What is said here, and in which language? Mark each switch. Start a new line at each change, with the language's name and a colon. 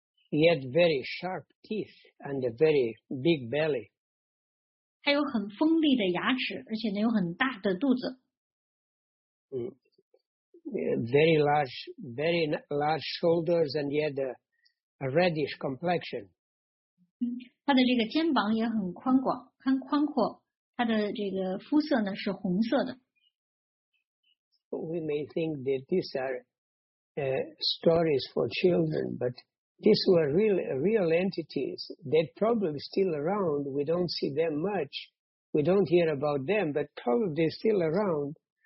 English: He had very sharp teeth and a very big belly.
Chinese: 他有很锋利的牙齿，而且呢有很大的肚子。
English: Very large shoulders, and he had a reddish complexion.
Chinese: 他的这个肩膀也很宽广，很宽阔。他的这个肤色呢是红色的。
English: We may think that these are stories for children, but these were real entities. They're probably still around. We don't see them much. We don't hear about them, but probably they're still around.